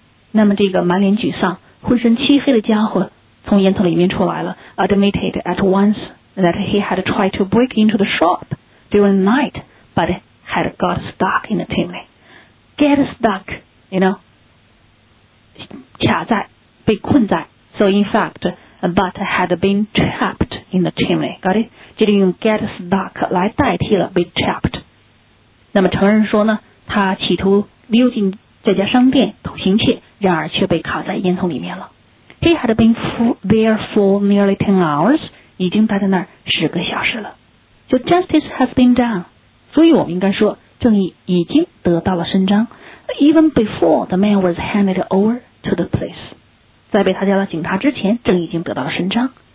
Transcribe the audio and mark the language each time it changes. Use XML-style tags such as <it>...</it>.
<zh>那么这个满脸沮丧浑身漆黑的家伙从烟囱里面出来了</zh> <en>admitted at once that he had tried to break into the shop during the night, but had got stuck in the chimney. Get stuck, you know,</en> <zh>卡在被困在</zh> <en>so in fact,But had been trapped in the chimney. Got it?</en> <zh>这里用 get stuck 来代替了 be trapped. 那么成人说呢，他企图溜进这家商店偷行窃，然而却被卡在烟囱里面了。</zh> <en>He had been there for nearly 10 hours.</en> <zh>已经待在那儿十个小时了。</zh> <en>So justice has been done.</en> <zh>所以我们应该说正义已经得到了伸张。</zh> <en>Even before the man was handed over to the police.</en> <zh>在被他交到警察之前正义已经得到了伸张。</zh>